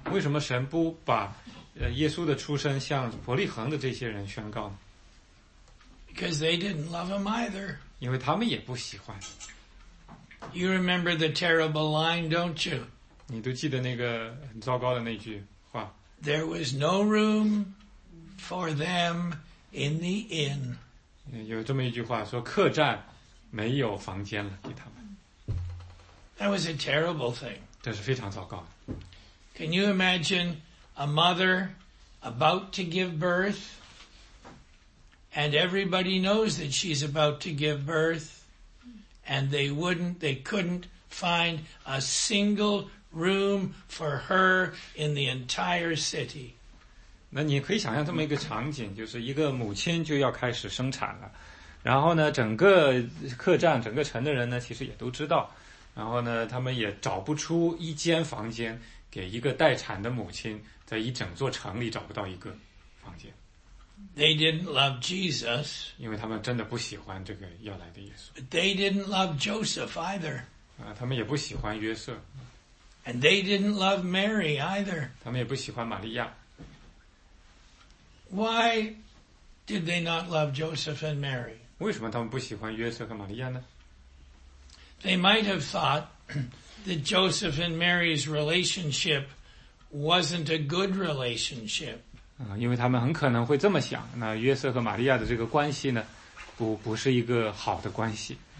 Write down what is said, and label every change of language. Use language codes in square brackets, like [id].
[zh] 为什么神不把耶稣的出生向伯利恒的这些人宣告？ [en] Because they didn't love him either. [zh] 因为他们也不喜欢。 [en] You remember the terrible line, don't you? [zh] 你都记得那个很糟糕的那句话。 [en] There was no room for them in the inn. [zh] 有这么一句话说客栈没有房间了给他们。 [en] That was a terrible thing. [zh] 这是非常糟糕的。 [en] Can you imagine a mother about to give birth and everybody knows that she's about to give birth and they couldn't find a single room for her in the entire city. [zh] 那你可以想象这么一个场景，就是一个母亲就要开始生产了，然后呢整个客栈整个城的人呢其实也都知道，然后呢他们也找不出一间房间给一个待产的母亲，在一整座城里找不到一个房间。 [en] They didn't love Jesus. [zh] 因为他们真的不喜欢这个要来的耶稣。 [en] But they didn't love Joseph either. [zh] 他们也不喜欢约瑟。 [en] And they didn't love Mary either. [zh] 他们也不喜欢玛利亚。 [en] Why did they not love Joseph and Mary? [zh] 为什么他们不喜欢约瑟和玛利亚呢？ [en] They might have thought that Joseph and Mary's relationship wasn't a good relationship. [zh] 因为他们很可能会这么想，那约瑟和玛利亚的这个关系呢，不是一个好的关系。